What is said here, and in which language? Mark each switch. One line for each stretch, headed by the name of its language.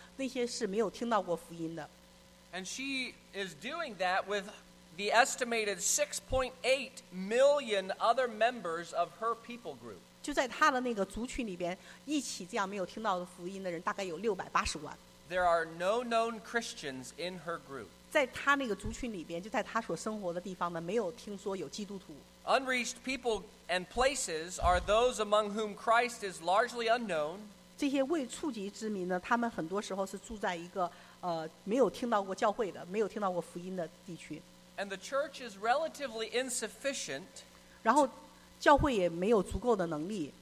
Chinese: 她是在所住的那个地区，那个地方呢，那些是没有听到过福音的。
English: And she is doing that with the estimated 6.8 million other members of her people group.
Chinese: 就在她的那个族群里边，一起这样没有听到的福音的人，大概有680万。
English: There are no known Christians in her group.
Chinese: 在她那个族群里边，就在她所生活的地方呢，没有听说有基督徒。
English: Unreached people and places are those among whom Christ is largely unknown.
Chinese: 这些未触及之民呢，他们很多时候是住在一个没有听到过教会的，没有听到过福音的地区。
English: And the church is relatively insufficient.
Chinese: 然后，教会也没有足够的能力